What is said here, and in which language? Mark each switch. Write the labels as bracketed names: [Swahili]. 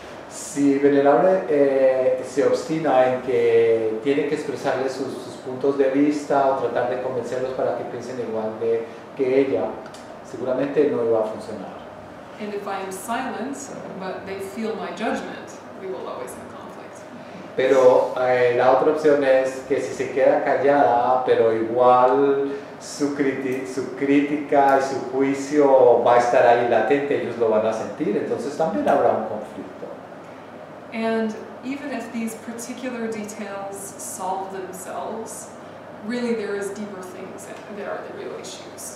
[Spanish] Si Venerable se obstina en que tiene que expresarle sus puntos de vista o tratar de convencerlos para que piensen igual de que ella, seguramente no iba a funcionar. [English] And if I am silent, but they feel my judgment, we will always have conflict. [Spanish] Pero la otra opción es que si se queda callada, pero igual su crítica y su juicio va a estar ahí latente, ellos lo van a sentir, entonces también habrá un conflicto. [English] And even if these particular details solve themselves, really there is deeper things that are the real issues.